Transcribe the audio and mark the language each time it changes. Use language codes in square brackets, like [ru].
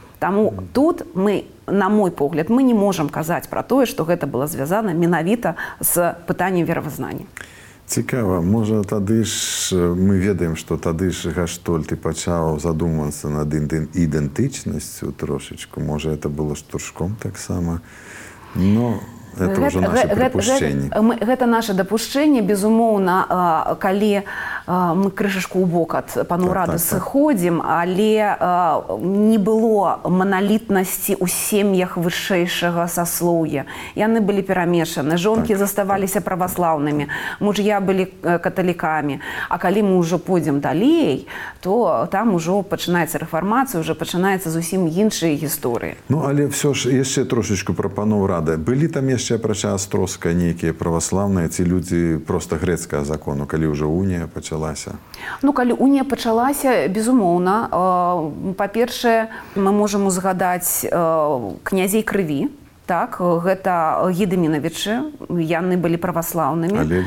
[be] Таму тут мы, на мой погляд, мы не можам казаць пра тое, што гэта было звязана менавіта з пытаннем веравызнання. Цікава, можа тады ж мы ведаем, што тады ж Гаштольд пачаў задумвацца над ідэнтычнасцю трошечку, можа гэта было штуршком таксама. [ru] Но это уже наше допущение. Это наше допущение, безумовно, коли мы крышечку у бок от панурады сыходим, але не было монолитности у семьях высшейшего сословия. И они были перемешаны. Жонки заставались православными, мужья были католиками. А коли мы уже пойдем далей, то там уже начинается реформация, уже начинается совсем иншие истории. Ну, але все ж, еще трошечку про панурады. [be] Были там еще апрача Астрожскага нейкія праваслаўныя ці людзі проста грэцкага закону, калі ўжо унія пачалася? Ну, калі унія пачалася, безумоўна. Па-першае, мы можам узгадаць князей крыві. Так, гэта Гедымінавічы, яны былі праваслаўнымі.